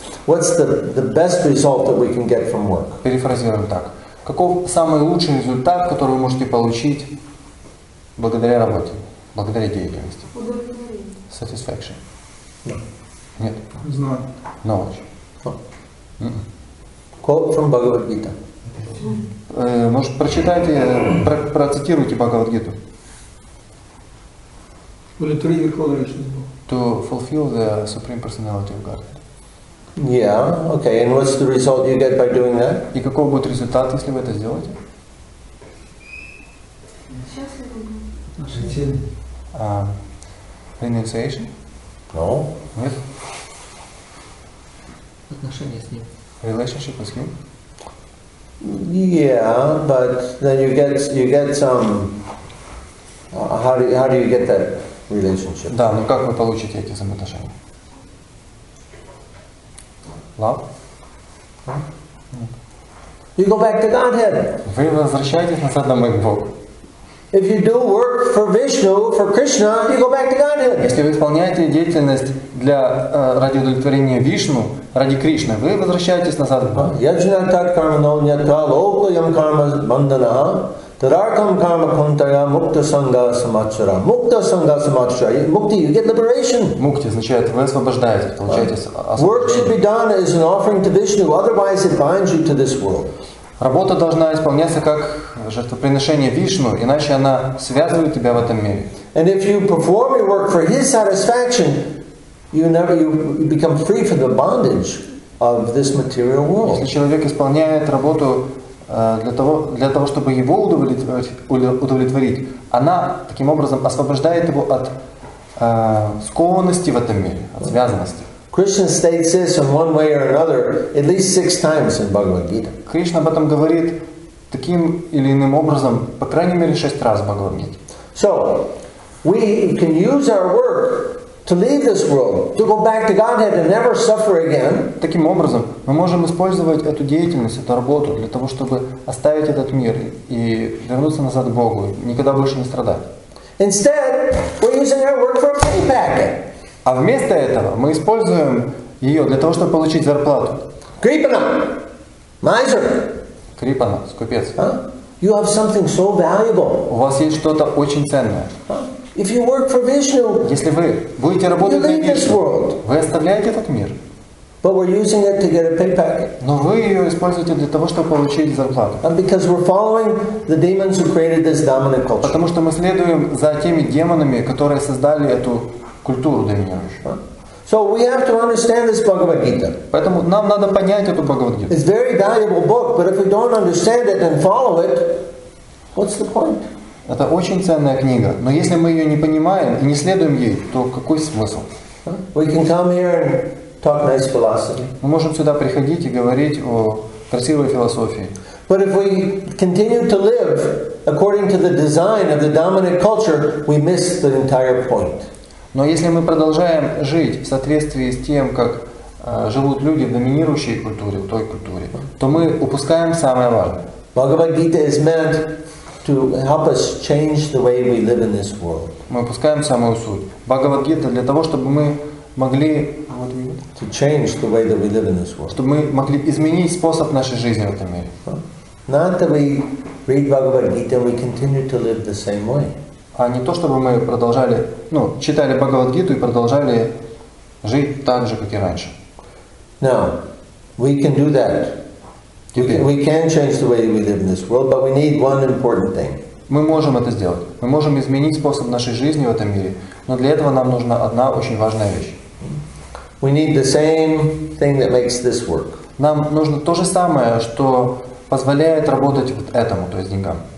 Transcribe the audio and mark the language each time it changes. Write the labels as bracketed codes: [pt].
[en] What's the best result that we can get from work? [ru] Перефразируем так. Каков самый лучший результат, который вы можете получить благодаря работе, благодаря деятельности? Удовлетворение. [en] Satisfaction. No. [ru] Нет. Знание. [en] Knowledge. Quote from Bhagavad Gita. [ru] Может, прочитайте, процитируйте Бхагавад Гиту. Удовлетворение Верховной Личности. [en] To fulfill the Supreme Personality of God. Yeah, okay, and what's the result you get by doing that? [ru] И каков будет результат, если вы это сделаете? Счастливый. [en] Renunciation? No. [ru] Нет? Отношения с ним. [en] Relationship with him? Yeah, but then you get some... How do you get that relationship? [ru] Да, но как вы получите эти взаимоотношения? [en] Love? Huh? You go back to Godhead. [ru] Вы возвращаетесь назад домой к Богу. [en] If you do work for Vishnu, for Krishna, you go back to Godhead. [ru] Если вы исполняете деятельность ради удовлетворения Вишну, ради Кришны, вы возвращаетесь назад к Богу. [sa] Яджна так карма навнята локлаям карма бандана таракам карма кунтая мукта санга самачара. Мукта санга самачара. Мукти, [en] you get liberation. [ru] Мукти означает, вы освобождаетесь, получаете освобождение. [en] Work should be done as an offering to Vishnu, otherwise it binds you to this world. [ru] Работа должна исполняться как жертвоприношение Вишну, иначе она связывает тебя в этом мире. [en] And if you perform your work for his satisfaction, you become free from the bondage of this material world. [ru] Если человек исполняет работу для того, чтобы его удовлетворить, она таким образом освобождает его от скованности в этом мире, от связанности. [en] Krishna states this in one way or another at least 6 times in Bhagavad Gita. [ru] Кришна об этом говорит таким или иным образом, по крайней мере, 6 раз в Бхагавад Гите. [en] So, we can use our work to leave this world, to go back to Godhead and never suffer again. [ru] Таким образом, мы можем использовать эту деятельность, эту работу для того, чтобы оставить этот мир и вернуться назад к Богу, никогда больше не страдать. [en] Instead, we're using our work for a pay packet. [ru] А вместо этого мы используем ее для того, чтобы получить зарплату. [en] Крипана! Майзер! [ru] Крипана, скупец. [en] Huh? You have something so valuable. [ru] У вас есть что-то очень ценное. [en] If you work for Vishnu, [ru] если вы будете работать на Вишну, вы оставляете этот мир. [en] But we're using it to get a pay packet. [ru] Но вы ее используете для того, чтобы получить зарплату. [en] And because we're following the demons who created this dominant culture. [ru] Потому что мы следуем за теми демонами, которые создали эту культуру доминирующую. [en] So we have to understand this Bhagavad Gita. [ru] Поэтому нам надо понять эту Бхагавад Гиту. [en] It's a very valuable book, but if we don't understand it and follow it, what's the point? [ru] Это очень ценная книга, но если мы ее не понимаем и не следуем ей, то какой смысл? [en] We can come here and talk nice philosophy. [ru] Мы можем сюда приходить и говорить о красивой философии. [en] But if we continue to live according to the design of the dominant culture, we miss the entire point. [ru] Но если мы продолжаем жить в соответствии с тем, как живут люди в доминирующей культуре, в той культуре, то мы упускаем самое важное. [en] Bhagavad Gita is meant to help us change the way we live in this world. [ru] Мы упускаем самую суть. Бхагавад Гита для того, чтобы мы могли [en] to change the way that we live in this world. [ru] Чтобы мы могли изменить способ нашей жизни в этом мире. [en] Not that we read Bhagavad Gita and we continue to live the same way. [ru] А не то, чтобы мы продолжали, ну, читали Бхагавад-гиту и продолжали жить так же, как и раньше. [en] No, we can do that. We can change the way we live in this world, but we need one important thing. [ru] Мы можем это сделать. Мы можем изменить способ нашей жизни в этом мире, но для этого нам нужна одна очень важная вещь. [en] We need the same thing that makes this work. [ru] Нам нужно то же самое, что позволяет работать вот этому, то есть деньгам.